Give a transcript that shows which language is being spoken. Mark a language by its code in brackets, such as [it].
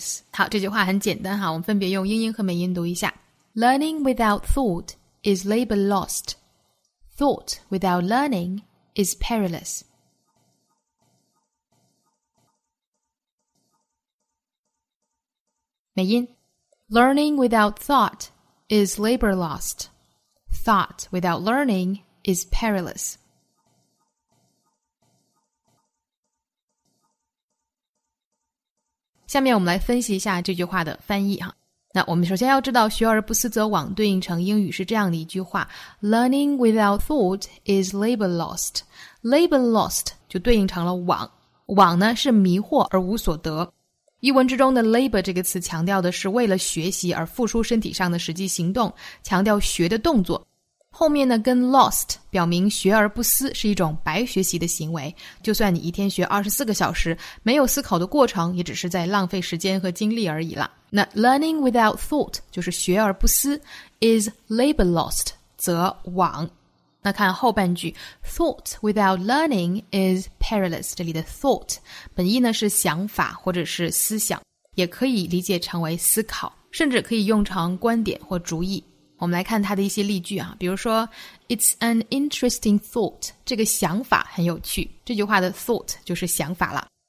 [zh] 好，这句话很简单哈，我们分别用英音和美音读一下 ： [en] learning without thought is labor lost。 Thought without learning is perilous. [zh] 美音 [en] Learning without thought is labor lost. Thought without learning is perilous. [zh] 下面我们来分析一下这句话的翻译哈。那我们首先要知道学而不思则罔对应成英语是这样的一句话 [en] Learning without thought is labor lost. [zh] Labor lost 就对应成了罔，罔呢是迷惑而无所得。译文之中的 labor 这个词强调的是为了学习而付出身体上的实际行动，强调学的动作。后面呢跟 lost 表明学而不思是一种白学习的行为，就算你一天学24个小时，没有思考的过程，也只是在浪费时间和精力而已了。那 [en] learning without thought [zh] 就是学而不思 [en] is labor lost [zh] 则罔。那看后半句 [en] thought without learning is perilous， [zh] 这里的 thought 本意呢是想法或者是思想，也可以理解成为思考，甚至可以用成观点或主意。我们来看它的一些例句啊，比如说 [en] It's an interesting thought， [zh] 这个想法很有趣，这句话的 thought 就是想法了。